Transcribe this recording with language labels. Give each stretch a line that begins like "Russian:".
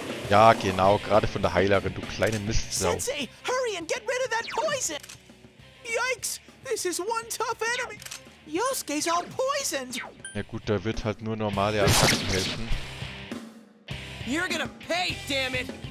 German: Ja, genau, gerade von der Heilerin, du kleine Mistsau.
English: Sensei, hurry and get rid of that poison! Yikes! This is one tough enemy! Yosuke's all poisoned!
German: Ja gut, da wird halt nur normale Attacken helfen.
English: You're gonna pay, damn it!